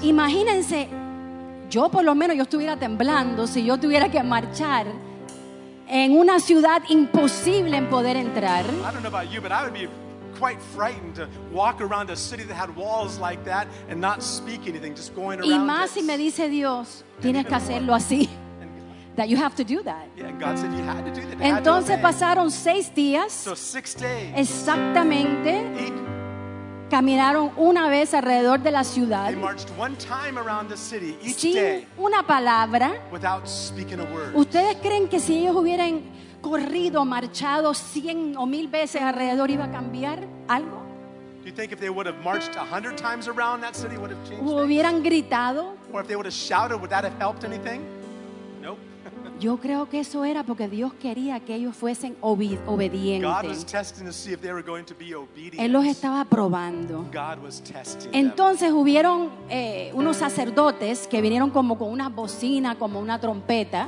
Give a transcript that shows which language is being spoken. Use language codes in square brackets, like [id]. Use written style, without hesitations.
[es] Imagínense, yo por lo menos yo estuviera temblando si yo tuviera que marchar en una ciudad imposible en poder entrar. [en] I don't know about you, but I would be quite frightened to walk around a city that had walls like that and not speak anything, just going around. [es] Y más si me dice Dios, tienes que hacerlo así. [en] That you have to do that. Yeah, God said you had to do that. [es] Entonces pasaron 6 días. [en] So 6 days. [es] Exactamente. Caminaron una vez alrededor de la ciudad. [en] They marched one time around the city each day. [es] Sin una palabra. [en] Without speaking a word. [es] ¿Ustedes creen que si ellos hubieran corrido, marchado 100 o 1,000 veces alrededor, iba a cambiar algo? [en] Do you think if they would have marched 100 times around that city, would have changed things? [es] ¿Hubieran gritado? [en] Or if they would have shouted, would that have helped anything? Nope. [es] Yo creo que eso era porque Dios quería que ellos fuesen obedientes. [en] God was testing to see if they were going to be obedient. [es] Él los estaba probando. [en] God was testing. [es] Entonces hubieron unos sacerdotes que vinieron como con una bocina, como una trompeta.